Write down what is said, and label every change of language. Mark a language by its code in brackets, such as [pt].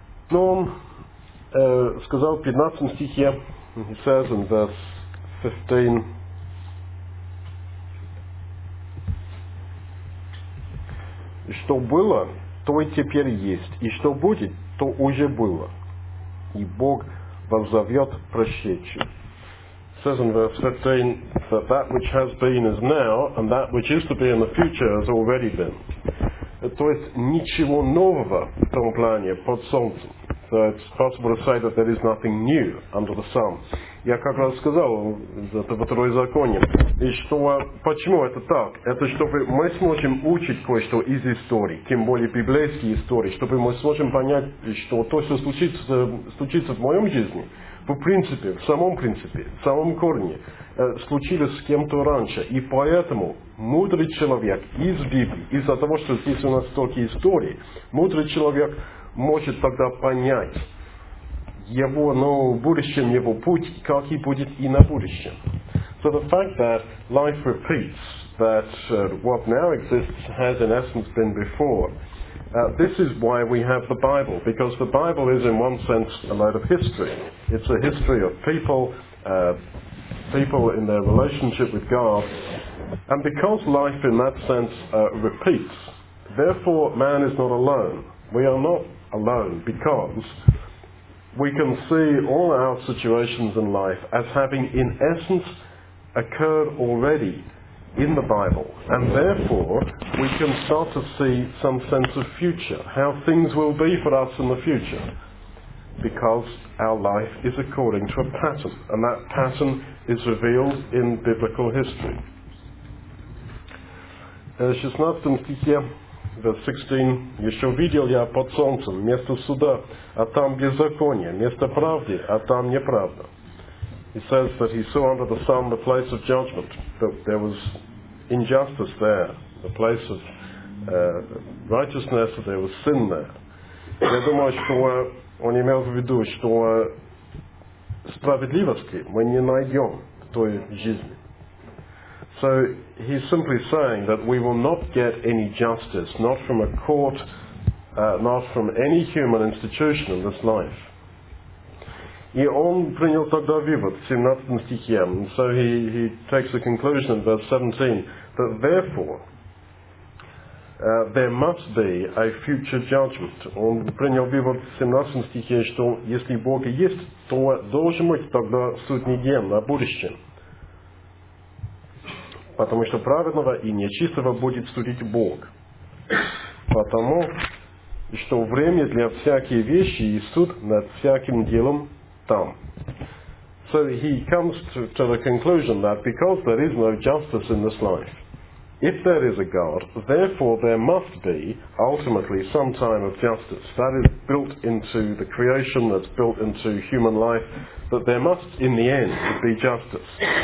[ru] Но он сказал в 15 стихе, [en] he says in verse 15, [ru] что было, то и теперь есть, и что будет, то уже было, и Бог воззовет прощечи. [en] It says in verse 15, that which has been is now, and that which is to be in the future has already been. [ru] То есть ничего нового в том плане под солнцем. [en] So it's possible to say that there is nothing new under the sun. [ru] Я как раз сказал, это второзаконие. И что, почему это так? Это чтобы мы сможем учить кое-что из истории, тем более библейские истории, чтобы мы сможем понять, что то, что случится в моем жизни, в принципе, в самом корне, случилось с кем-то раньше. И поэтому мудрый человек из Библии, из-за того, что здесь у нас столько историй, мудрый человек может тогда понять его, ну, будущем, его путь, как и будет и на будущем. [en] So the fact that life repeats, that what now exists has in essence been before, this is why we have the Bible, because the Bible is in one sense a load of history. It's a history of people, people in their relationship with God, and because life in that sense repeats, therefore man is not alone. We are not alone, because we can see all our situations in life as having in essence occurred already in the Bible, and therefore we can start to see some sense of future, how things will be for us in the future, because our life is according to a pattern, and that pattern is revealed in biblical history. [ru] 16 стихе. [en] Verse 16, [ru] еще видел я под солнцем место суда, а там беззаконие, место правды, а там неправда. [en] He says that he saw under the sun the place of judgment, that there was injustice there, the place of righteousness, that there was sin there. [ru] Я думаю, что он имел в виду, что справедливости мы не найдем в той жизни. [en] So he's simply saying that we will not get any justice, not from a court, not from any human institution in this life. [ru] И он принял тогда вывод, 17 стихе, [en] and so he takes the conclusion in verse 17, that therefore there must be a future judgment. [ru] Он принял вывод в 17 стихе, что если Бог есть, то должен быть тогда судный день на будущем. Потому что праведного и нечистого будет судить Бог. Потому что время для всякие вещи и суд над всяким делом там. [en] So he comes to the conclusion that because there is no justice in this life, If there is a God, therefore there must be ultimately some time of justice. That is built into the creation, that's built into human life, that there must in the end be justice.